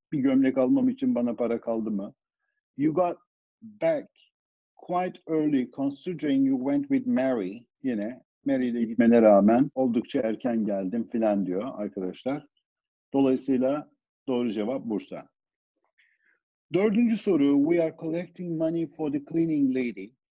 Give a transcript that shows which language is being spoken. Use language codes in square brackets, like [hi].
[tr] Bir gömlek almam için bana para kaldı mı? [en] You got back quite early considering you went with Mary. [tr] Yine Mary ile gitmene rağmen oldukça erken geldim filan diyor arkadaşlar. Dolayısıyla doğru cevap Bursa. Dördüncü soru. [en] We are collecting money for the cleaning lady.